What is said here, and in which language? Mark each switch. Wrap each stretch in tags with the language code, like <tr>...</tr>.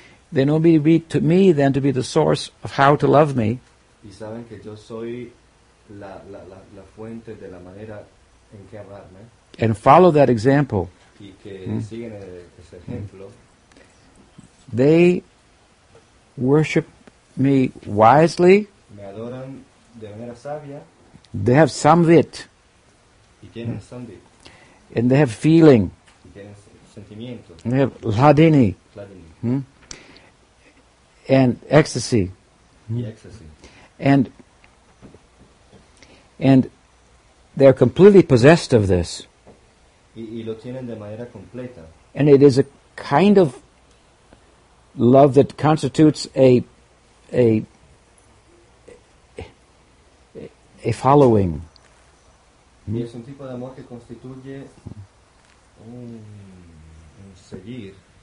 <en>they know me to be to me then to be the source of how to love me.</en> <es>Y saben que yo soy la fuente de la manera en que amarme.</es> <en>And follow that example.</en> <es>Y que siguen ese ejemplo.</es> <en>They worship me wisely.</en> <es>Me adoran de manera sabia.</es> <en>They have samvit. And they have feeling. And they have ladini. And ecstasy. And they're completely possessed of this.</en> <es>Y lo tienen de manera completa.</es> <en>And it is a kind of love that constitutes a following.</en> <es>Y es un tipo de amor que constituye un seguir.</es>